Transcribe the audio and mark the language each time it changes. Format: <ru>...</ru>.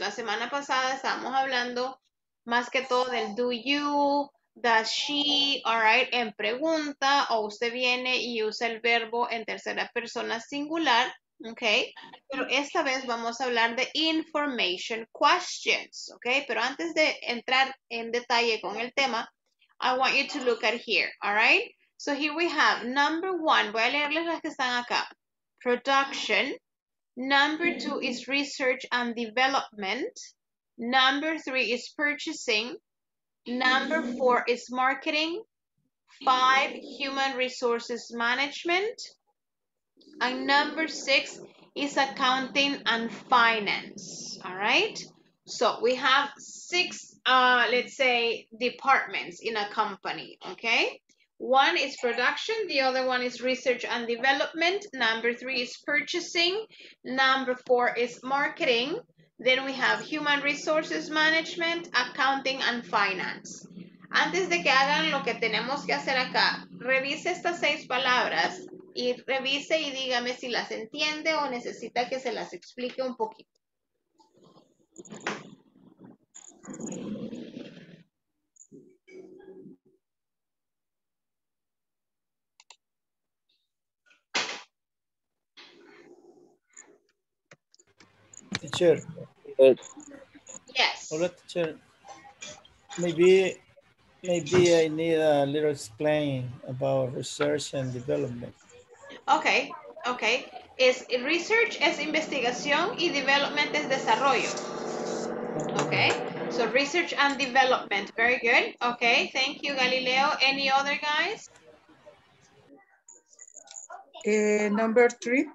<es>La semana pasada estábamos hablando más que todo del</es> <en>do you, does she, all right,</en> <es>en pregunta, o usted viene y usa el verbo en tercera persona singular, okay? Pero esta vez vamos a hablar de information questions, okay? Pero antes de entrar en detalle con el tema,</es> <en>I want you to look at here, all right? So here we have number 1,</en> <es>voy a leerles las que están acá.</es> <en>Production, number 2 is research and development, number 3 is purchasing, number 4 is marketing, 5 human resources management, and number 6 is accounting and finance, all right? So we have 6, let's say, departments in a company, okay? One is production, the other one is research and development, number 3 is purchasing, number 4 is marketing, then we have human resources management, accounting and finance.</en> <es>Antes de que hagan lo que tenemos que hacer acá, revise estas 6 palabras y revise y dígame si las entiende o necesita que se las explique un poquito.</es> <en>teacher. Yes.</en> <es>Hola,</es> <en>teacher. Maybe I need a little explain about research and development. Okay.</en> <es>Es research es investigación y development es desarrollo.</es> <en>Okay. So research and development. Very good. Okay. Thank you, Galileo. Any other guys? Number three.</en>